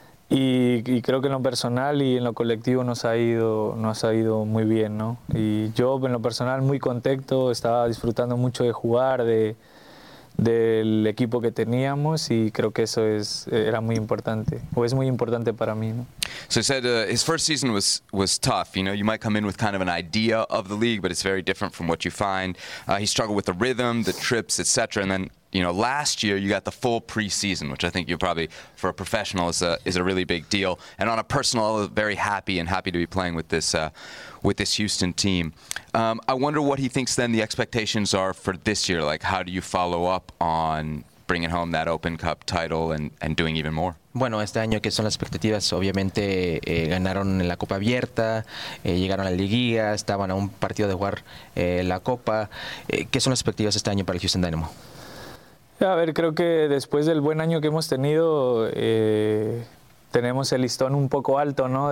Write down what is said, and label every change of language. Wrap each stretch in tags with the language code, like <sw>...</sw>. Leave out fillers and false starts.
<es>Y creo que en lo personal y en lo colectivo nos ha ido muy bien, ¿no? Y yo en lo personal muy contento, estaba disfrutando mucho de jugar, del equipo que teníamos, y creo que eso era muy importante, o es muy importante para mí, ¿no?</es> <en>So he said his first season was tough. You know, you might come in with kind of an idea of the league, but it's very different from what you find. He struggled with the rhythm, the trips, etc. And then, you know, last year you got the full preseason, which I think you probably, for a professional, is a really big deal. And on a personal level, very happy to be playing with this Houston team. I wonder what he thinks then the expectations are for this year. Like, how do you follow up on bringing home that Open Cup title and doing even more?</en> <es>Bueno, este año, ¿qué son las expectativas? Obviamente, ganaron en la Copa Abierta, llegaron a la Liguilla, estaban a un partido de jugar la Copa. ¿Qué son las expectativas este año para el Houston Dynamo? A ver, creo que después del buen año que hemos tenido, tenemos el listón un poco alto, ¿no?</es>